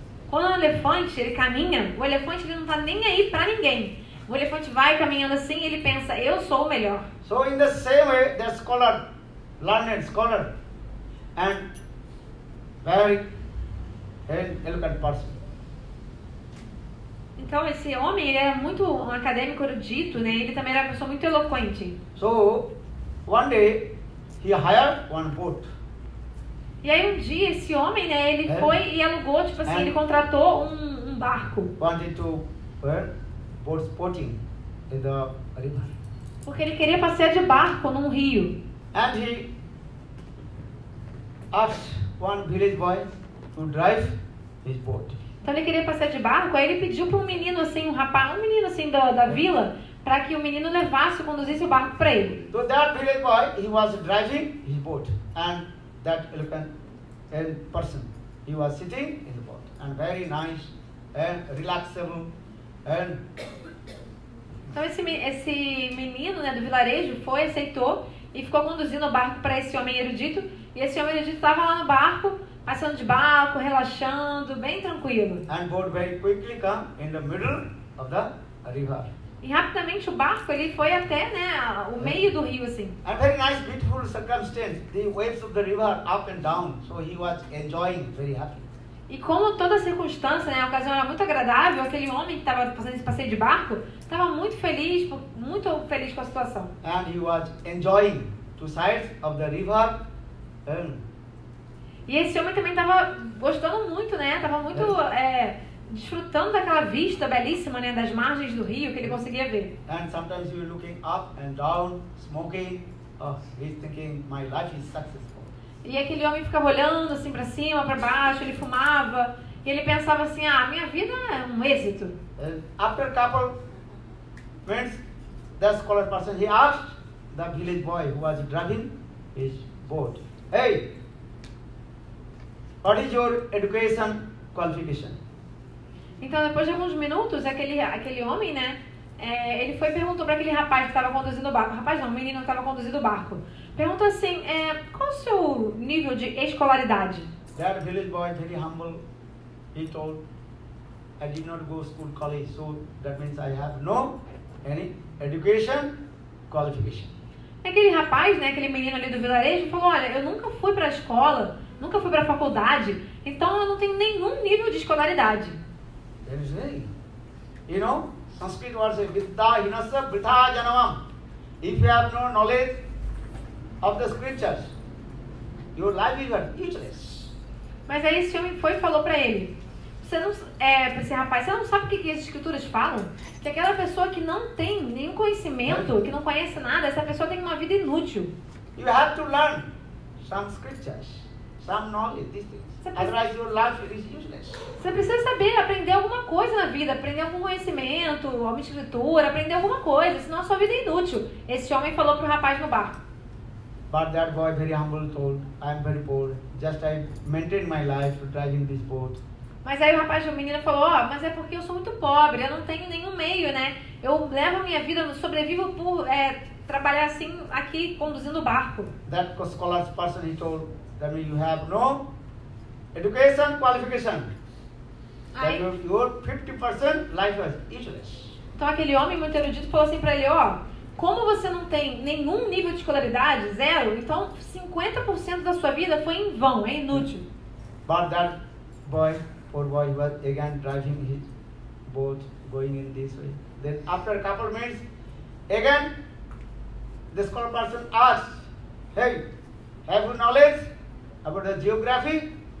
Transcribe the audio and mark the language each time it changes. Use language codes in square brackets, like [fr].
[pt] Quando o elefante ele caminha, o elefante ele não está nem aí para ninguém. O elefante vai caminhando assim e ele pensa, eu sou o melhor. [en] So in the same way, the scholar, learned scholar, and very eloquent person. [pt] Então esse homem ele era muito um acadêmico erudito, né? Ele também era uma pessoa muito eloquente. [en] So one day he hired one boat. [pt] E aí um dia esse homem, né, ele foi e alugou, tipo assim, ele contratou um barco. [en] Wanted to boating in the river. [pt] Porque ele queria passear de barco num rio. [en] And he asked one village boy to drive his boat. [pt] Então ele queria passear de barco, aí ele pediu para um menino assim, um menino assim da vila, para que o menino levasse, conduzisse o barco para ele. [en] So that village boy, he was driving his boat and that elephant and person, he was sitting in the boat and very nice and relaxable and [pt] então esse menino, né, do vilarejo foi, aceitou e ficou conduzindo o barco para esse homem erudito, e esse homem erudito estava lá no barco passando de barco, relaxando bem tranquilo. [en] And boat very quickly come in the middle of the river. [pt] E rapidamente o barco ele foi até, né, o meio do rio assim. [en] A very nice, beautiful circumstance. The waves of the river up and down. So he was enjoying, very happy. [pt] E como toda a circunstância, né, a ocasião era muito agradável, aquele homem que estava fazendo esse passeio de barco estava muito feliz com a situação. [en] And he was enjoying the sights of the river. [pt] E esse homem também estava gostando muito, né? Tava muito desfrutando daquela vista belíssima, né, das margens do rio que ele conseguia ver. [en] And sometimes he was looking up and down, smoking. Oh, he's thinking, my life is successful. [pt] E aquele homem ficava olhando assim para cima, para baixo. Ele fumava e ele pensava assim, ah, minha vida é um êxito. [en] After a couple minutes, the scholar person he asked the village boy who was driving his boat, hey, what is your education qualification? [pt] Então, depois de alguns minutos, aquele homem, né, ele foi e perguntou para aquele rapaz que estava conduzindo o barco. Rapaz, não, o menino que estava conduzindo o barco. Perguntou assim, qual o seu nível de escolaridade? [en] That village boy, very humble, he told, I did not go to school, college, so that means I have no any education, qualification. [pt] Aquele rapaz, né, aquele menino ali do vilarejo, falou, olha, eu nunca fui para a escola, nunca fui para a faculdade, então eu não tenho nenhum nível de escolaridade. [en] There is nothing. You know, Sanskrit words, [sa] vritta hinasya vritta janavam. [en] If you have no knowledge of the scriptures, your life is useless. [pt] Mas aí esse homem foi e falou para ele, você não, para esse rapaz, você não sabe o que as escrituras falam? Que aquela pessoa que não tem nenhum conhecimento, que não conhece nada, essa pessoa tem uma vida inútil. [en] You have to learn some scriptures, some knowledge, these things. Otherwise your life is useless. [pt] Você precisa saber, aprender alguma coisa na vida, aprender algum conhecimento, alguma escritura, aprender alguma coisa, senão a sua vida é inútil. Esse homem falou pro rapaz no bar. [en] But that boy very humble told, I'm very poor, just I maintain my life driving this boat. [pt] Mas aí o rapaz, o menino falou, oh, mas é porque eu sou muito pobre, eu não tenho nenhum meio, né? Eu levo a minha vida, sobrevivo por trabalhar assim aqui conduzindo o barco. [en] That scholar person, he told, that means you have no education, qualification. [pt] Aí, [en] that your 50% life was useless. [pt] Então aquele homem muito erudito falou assim pra ele, ó, como você não tem nenhum nível de escolaridade, zero, então 50% da sua vida foi em vão, é inútil. [en] But that boy, poor boy, was again driving his boat, going in this way. Then after a couple of minutes, again, the scholar person asked, hey, have you knowledge about the geography?